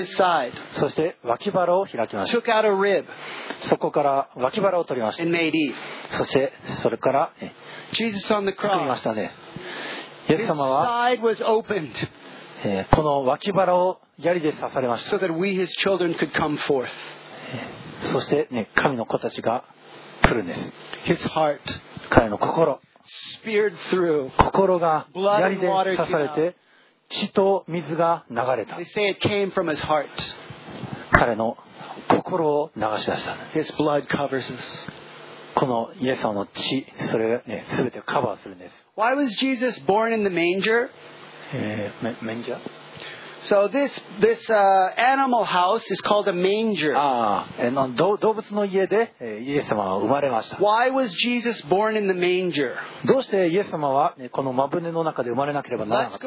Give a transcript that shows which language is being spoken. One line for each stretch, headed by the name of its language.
English: opened his side.
Japanese: そして脇腹を開きました。
English: Took out a rib.
Japanese: そこから脇腹を取りました。
English: And made Eve.
Japanese: そしてそれから、ね、
English: Jesus on the cross.
Japanese: 作りましたね。イエス様は、
English: His side was opened.
Japanese: この脇腹を槍で刺されました。
English: So that we, his children, could come forth.
Japanese: そして、ね、神の子たちが来るんです。
English: His heart.
Japanese: 彼の心。
English: Speared through,
Japanese: 心が槍で刺されて血と水が流れた。
English: They say it came from his heart.
Japanese: 彼の心を流し出した。
English: His blood covers us.
Japanese: このイエス様の血、それが、ね、全てをカバーするんです。
English: Why was Jesus born in the manger? Manger? So this animal house is called a manger.
Japanese: And 動物の家でイエス様は生まれました。
English: Why was Jesus born in the manger?
Japanese: どうしてイエス様はこのまぶねの中で生まれなければならなかった